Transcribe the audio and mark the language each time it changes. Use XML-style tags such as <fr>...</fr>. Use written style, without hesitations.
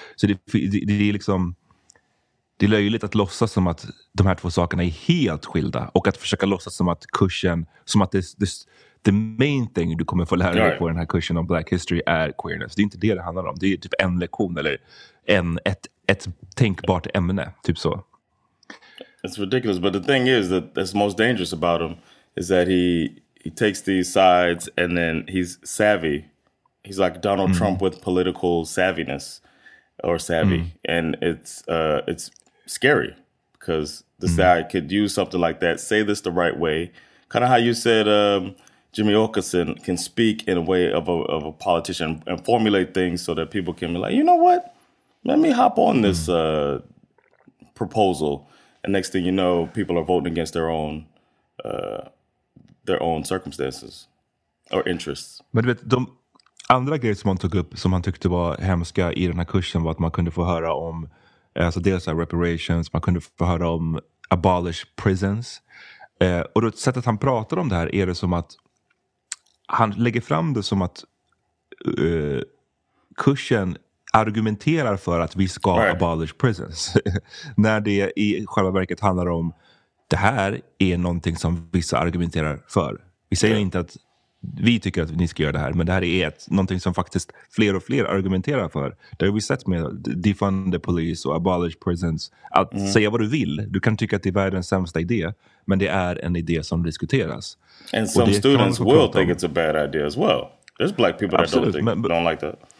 <sv>Så det är liksom, det är löjligt att låtsas som att de här två sakerna är helt skilda, och att försöka låtsas som att kursen, som att</sv> <en>the main thing</en> <sv>du kommer få lära dig på den här kursen om</sv> <en>black history</en> <sv>är queerness. Det är inte det handlar om. Det är typ en lektion eller ett tänkbart ämne, typ så.</sv> <en>It's ridiculous, but the thing is that that's most dangerous about him is that he takes these sides and then he's savvy. He's like Donald Trump with political savviness or savvy. And it's scary, because this guy could use something like that, say this the right way, kind of how you said Jimmy Åkesson can speak in a way of a politician and formulate things so that people can be like, you know what, let me hop on this proposal, and next thing you know, people are voting against their own circumstances or interests.</en> <sv>Men du vet, de andra grejer som han tog upp som han tyckte var hemska i den här kursen var att man kunde få höra om, alltså dels här reparations, man kunde få höra om</sv> <en>abolish prisons.</en> <sv>Och då sättet han pratar om det här är det som att han lägger fram det som att kursen argumenterar för att vi ska</sv> <en>abolish prisons.</en> <sv>När det i själva verket handlar om, det här är någonting som vissa argumenterar för. Vi säger inte att vi tycker att ni ska göra det här, men det här är någonting som faktiskt fler och fler argumenterar för. Det har vi sett med</sv> <en>defund the police</en> <sv>och</sv> <en>abolish prisons.</en> <sv>Att säga vad du vill, du kan tycka att det är världens sämsta idé, men det är en idé som diskuteras.</sv> <en>And some students will think it's a bad idea as well. There's black people that don't like that.</en>